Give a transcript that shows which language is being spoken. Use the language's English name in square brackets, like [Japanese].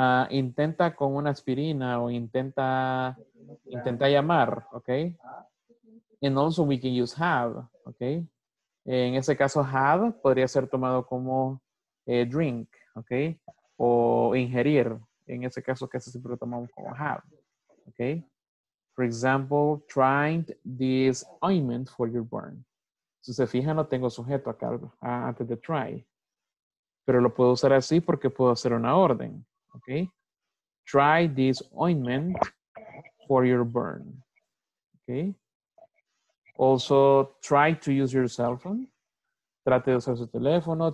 [Spanish] Intenta con una aspirina o intenta llamar, ¿ok? [English] And also we can use have, [Spanish] ¿ok? En ese caso, have podría ser tomado como drink, ¿ok? O ingerir. En ese caso, casi siempre lo tomamos como have, ¿ok? [English] For example, trying this ointment for your burn. [Spanish] Si se fijan, no tengo sujeto acá antes de try. Pero lo puedo usar así porque puedo hacer una orden. [English] Ok. Try this ointment for your burn. Ok. Also, try to use your cell phone. [Spanish] Trate de usar su teléfono.